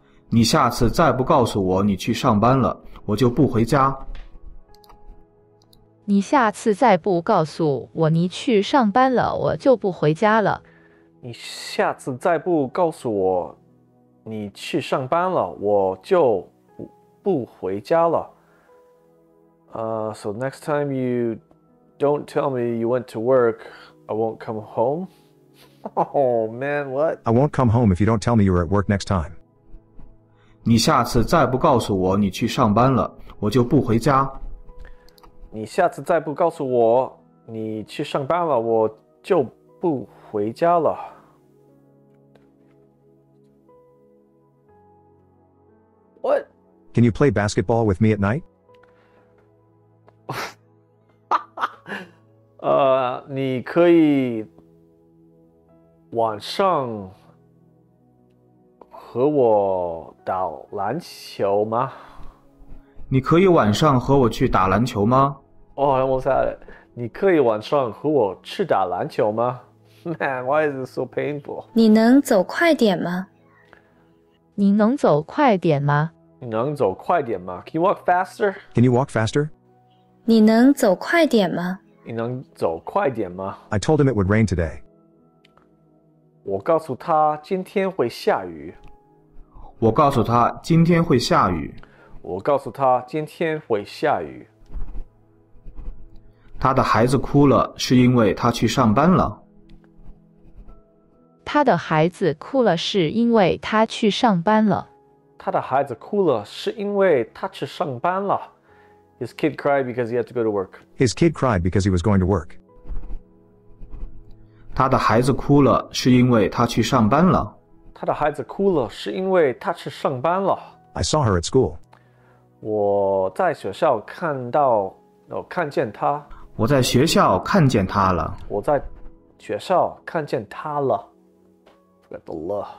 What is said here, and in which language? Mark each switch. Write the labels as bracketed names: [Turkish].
[Chinese] 你下次再不告诉我你去上班了，我就不回家。你下次再不告诉我你去上班了，我就不回家了。你下次再不告诉我你去上班了，我就不回家了。 [English] So next time you don't tell me you went to work, I won't come home. Oh man, what? I won't come home if you don't tell me you are at work next time. [Chinese] 你下次再不告诉我你去上班了，我就不回家。你下次再不告诉我你去上班了，我就不回家了。 [English] What? Can you play basketball with me at night? [Chinese] 你可以晚上和我打篮球吗？你可以晚上和我去打篮球吗？哦，我猜，你可以晚上和我去打篮球吗？ [English] Man, why is it so painful? [Chinese] 你能走快点吗？你能走快点吗？你能走快点吗？ [English] Can you walk faster? Can you walk faster? [Chinese] 你能走快点吗？你能走快点吗？ [English] I told him it would rain today. [Chinese] 我告诉他今天会下雨。我告诉他今天会下雨。我告诉他今天会下雨。他的孩子哭了，是因为他去上班了。他的孩子哭了，是因为他去上班了。他的孩子哭了，是因为他去上班了。 [English] His kid cried because he had to go to work. His kid cried because he was going to work. [Chinese] 他的孩子哭了，是因为他去上班了。他的孩子哭了，是因为他去上班了。 [English] I saw her at school. [Chinese] 我在学校看到，看见他。我在学校看见他了。我在学校看见他了。 [English] Forget the [Chinese] 了。